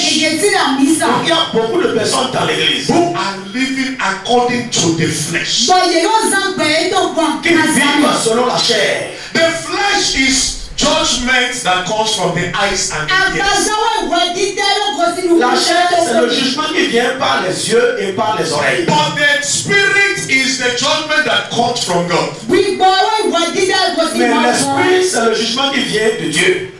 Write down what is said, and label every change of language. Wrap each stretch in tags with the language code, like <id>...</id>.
<fr>Il y a beaucoup de personnes dans l'église.</fr> <en>Who are living according to the flesh.</en> <fr>Qui vivent selon la chair.</fr> <en>The flesh is judgment that comes from the eyes and the ears.</en> <fr>La chair, c'est le jugement qui vient par les yeux et par les oreilles.</fr> <en>But the spirit is the judgment that comes from God.</en> <fr>Mais l'esprit, c'est le jugement qui vient de Dieu.</fr>